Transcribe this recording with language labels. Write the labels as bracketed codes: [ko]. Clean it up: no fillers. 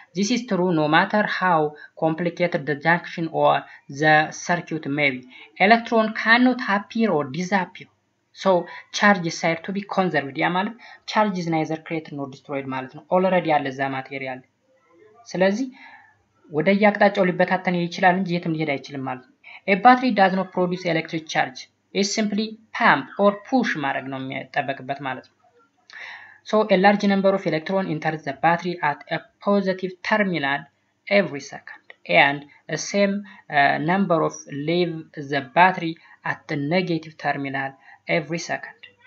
[en] This is true no matter how complicated the junction or the circuit may be. Electron cannot appear or disappear. So charge is said to be conserved. [am] ያ ማለት [en] charge is neither created nor destroyed [am] ማለት ነው። Already ያለ እዛ [en] material. [am] ስለዚህ ወደ ያቅጣጫው ሊበታተን ይችላል እንጂ የትም ሊሄድ አይችልም ማለት ነው። [en] A battery does not produce electric charge. It simply pump or push [am] ማድረግ ነው የሚጠበቅበት ማለት ነው። [en] So a large number of electrons enter the battery at a positive terminal every second and the same number of leave the battery at the negative terminal every second.